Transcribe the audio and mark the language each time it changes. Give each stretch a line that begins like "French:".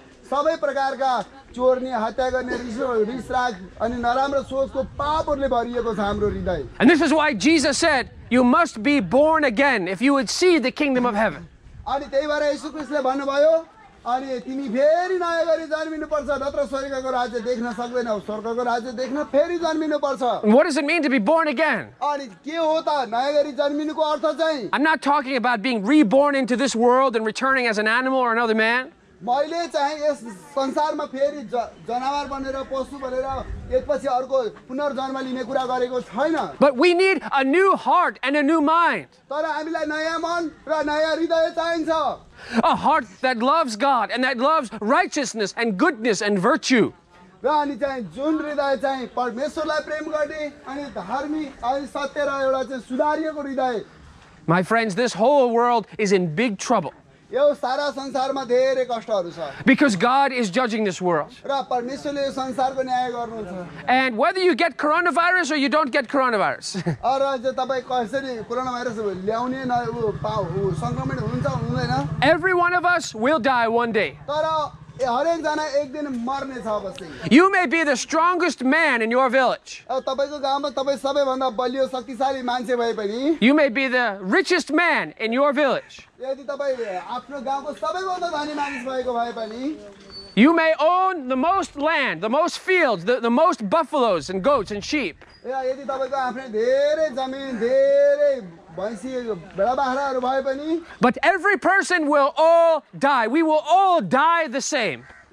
Nepali: सबै प्रकारका चोर्ने हत्या गर्ने रिस राग अनि नराम्रो सोचको पापहरुले भरिएको छ हाम्रो हृदय.
English: And this is why Jesus said, you must be born again if you would see the kingdom of heaven.
Nepali: अनि त्यही भएर येशू ख्रीष्टले भन्नुभयो अनि तिमी फेरि नयाँ गरी जन्मिनु पर्छ नत्र स्वर्गको राज्य देख्न सक्दैनौ स्वर्गको राज्य देख्न फेरि जन्मिनु पर्छ.
English: What does it mean to be born again?
Nepali: अनि के हो त नयाँ गरी जन्मिनुको अर्थ चाहिँ?
English: I'm not talking about being reborn into this world and returning as an animal or another man.
Nepali: मैले चाहिँ यस संसारमा फेरि जनावर बनेर पशु बनेर एकपछि अर्को पुनर्जन्म लिने कुरा गरेको छैन.
English: But we need a new heart and a new mind.
Nepali: तर हामीलाई नयाँ मन र नयाँ हृदय चाहिन्छ.
English: A heart that loves God and that loves righteousness and goodness and virtue.
Nepali: र अनि चाहिँ जुन हृदय चाहिँ परमेश्वरलाई प्रेम गर्ने अनि धर्मी अनि सत्य र एउटा चाहिँ सुधारिएको हृदय.
English: My friends, this whole world is in big trouble.
Nepali: यो सारा संसारमा धेरै कष्टहरू छ.
English: Because God is judging this world.
Nepali: र परमेश्वरले यो संसारको न्याय गर्नुहुन्छ.
English: And whether you get coronavirus or you don't get coronavirus.
Nepali: Or जे तपाई कसरी कोरोनावायरस ल्याउने न संक्रमण हुन्छ हुँदैन.
English: Every one of us will die one day.
Nepali: तर हरेक जना एक दिन मर्ने छ अवश्य.
English: You may be the strongest man in your village.
Nepali: तपाईको गाउँमा तपाई सबैभन्दा बलियो शक्तिशाली मान्छे भए पनि.
English: You may be the richest man in your village.
Nepali: यदि तपाई आफ्नो गाउँको सबैभन्दा धनी मानिस भएको भए पनि.
English: You may own the most land, the most fields, the most buffaloes and goats and sheep.
Nepali: यदि तपाईको आफ्नो धेरै जमिन धेरै
English: But every person will all die. We will all die the same.